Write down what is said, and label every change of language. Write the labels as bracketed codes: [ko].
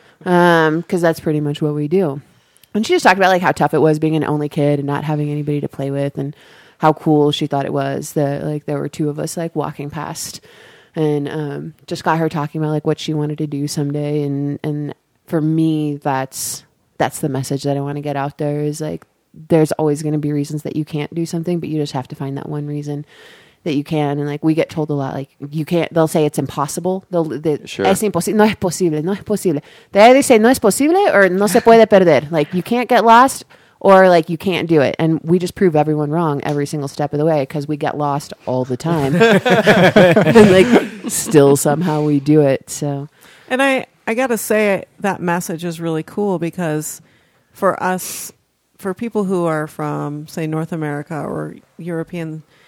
[en] Because that's pretty much what we do. And she just talked about like how tough it was being an only kid and not having anybody to play with and how cool she thought it was that like there were two of us like walking past and just got her talking about like what she wanted to do someday. And for me, that's the message that I want to get out there is like there's always going to be reasons that you can't do something, but you just have to find that one reason that you can. And like, we get told a lot, like you can't, they'll say it's impossible. [es] Es imposible, no es posible, no es posible. [en] They either say [es] no es posible [en] or [es] no se puede perder. [en] Like you can't get lost or like you can't do it. And we just prove everyone wrong every single step of the way because we get lost all the time. And like still somehow we do it. So. And I got to say that message is really cool because for us, for people who are from say North America or European